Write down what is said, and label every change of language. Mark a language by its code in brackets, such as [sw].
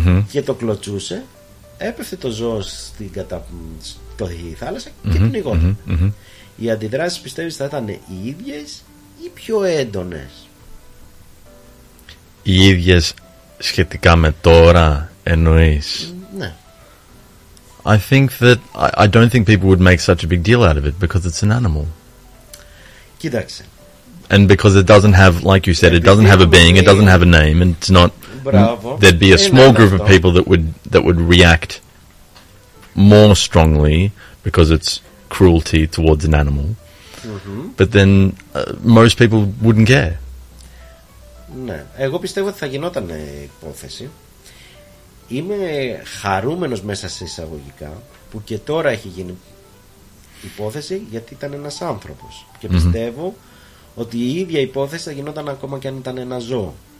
[el] Και το κλωτσούσε, έπεφτε το ζώο στην θάλασσα και πνιγόταν. Οι αντιδράσεις πιστεύεις θα ήταν οι ίδιες ή πιο έντονες? Οι ίδιες σχετικά με τώρα, εννοείς? Ναι. [en] I don't think people would make such a big deal out of it because it's an animal. [el] Κοίταξε. [en] And because it doesn't have, like you said, it doesn't have a being, it doesn't have a name, and it's not. [el] Μπράβο. [en] There'd be a small group of people that would react more strongly because it's cruelty towards an animal. But then most people wouldn't care. [el] Ναι, εγώ πιστεύω ότι θα γινόταν υπόθεση. Είμαι χαρούμενος μέσα σε εισαγωγικά που και τώρα έχει γίνει υπόθεση, γιατί ήταν ένας άνθρωπος. Και πιστεύω ότι η ίδια υπόθεση θα γινόταν ακόμα και αν ήταν ένα ζώο.